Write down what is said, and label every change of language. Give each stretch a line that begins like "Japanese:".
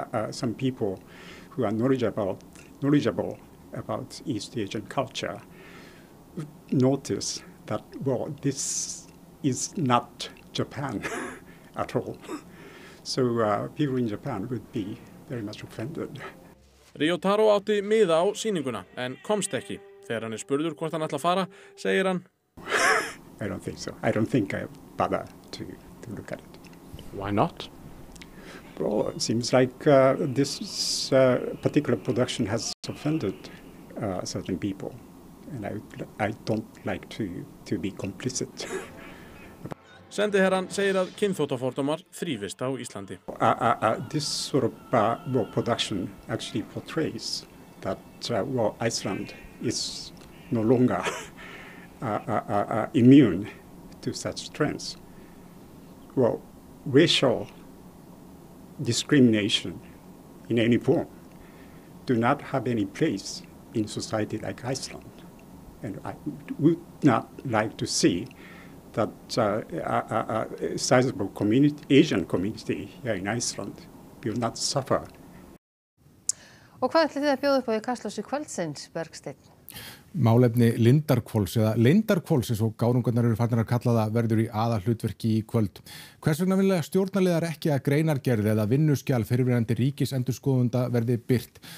English: Some people who are knowledgeable about East Asian culture notice that this is not Japan at all. So people in Japan would be very much offended.
Icelandic: Ryotaro átti miða á sýninguna en komst ekki. Þegar hann spurður hvort hann ætla að fara, segir hann
English: I don't think so. I don't think I bother to look at it. Why not? Well, it seems like this particular production has offended certain people. And I don't like to be complicit.
Icelandic: Sendiherrann segir að kynþóttafordómar þrífist á Íslandi.
English: This sort of production actually portrays that Iceland is no longer immune to such trends. Well, racial discrimination in any form do not have any place in society like Iceland. And I would not like to see that a sizable community, Asian community here in Iceland will not suffer.
Icelandic: Og hvað ætlið þið að bjóða upp á í Kastlósi kvöldsins, Bergsteinn? Málefni Lindarkvols eða Lindarkvols eins og gárungarnar eru farnar að kalla það verður í aðalhlutverki í kvöld. Hvers vegna vilja stjórnarliðar ekki að greinargerð eða vinnuskjal fyrirverandi ríkisendurskoðunda verði birt?